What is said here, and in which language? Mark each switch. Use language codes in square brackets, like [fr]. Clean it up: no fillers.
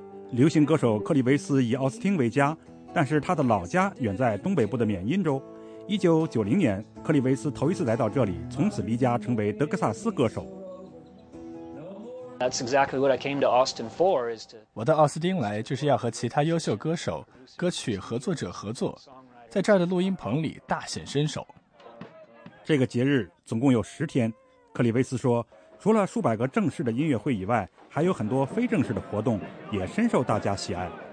[zh] 流行歌手克里维斯以奥斯汀为家，但是他的老家远在东北部的缅因州。 1990年，克里维斯头一次来到这里，从此离家，成为德克萨斯歌手。 [en] That's exactly what I came to Austin for. [zh] 我到奥斯汀来就是要和其他优秀歌手、歌曲合作者合作，在这儿的录音棚里大显身手。这个节日总共有10天，克里维斯说，除了数百个正式的音乐会以外，还有很多非正式的活动也深受大家喜爱。